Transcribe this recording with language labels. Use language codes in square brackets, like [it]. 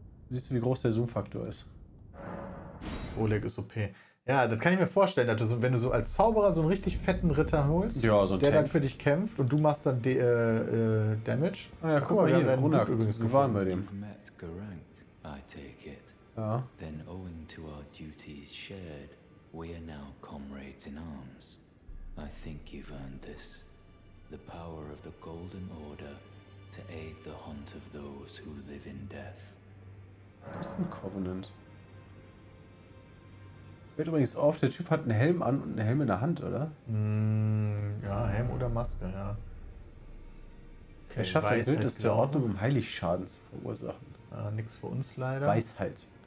[de] Siehst du, wie groß der Zoom-Faktor ist? Oleg ist OP. Ja, das kann ich mir vorstellen, dass du so, wenn du so als Zauberer so einen richtig fetten Ritter holst, ja, so der dann für dich kämpft und du machst dann Damage. Ah ja, guck mal, hier, Grunak übrigens gefahren bei dem. [en] Met Garank, I take it. Ja. Then owing to our duties shared, we are now comrades in arms. I think you've earned this. The power of the Golden Order to aid the hunt of those who live in death. [de] Das ist ein Covenant. Fällt übrigens auf, der Typ hat einen Helm an und einen Helm in der Hand, oder? Ja, Helm oder Maske, ja. Okay, er schafft ein Bild aus der Ordnung, um Heiligschaden zu verursachen. Nichts für uns leider. Weisheit.